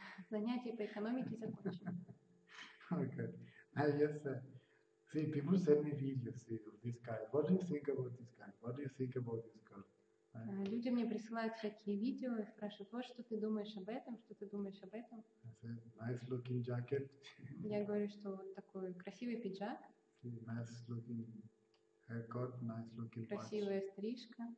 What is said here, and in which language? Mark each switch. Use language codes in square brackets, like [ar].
[ru] Занятия по экономике закончены. [en] Okay. See, people send me videos, see, of this guy. What do you think about this guy? What do you think about this girl? [ru] Люди мне присылают всякие видео и спрашивают, вот что ты думаешь об этом, что ты думаешь об этом. [en] Nice looking jacket. [ru] Я говорю, что вот такой красивый пиджак. [en] Nice looking haircut, nice looking watch. [ru] Красивая стрижка.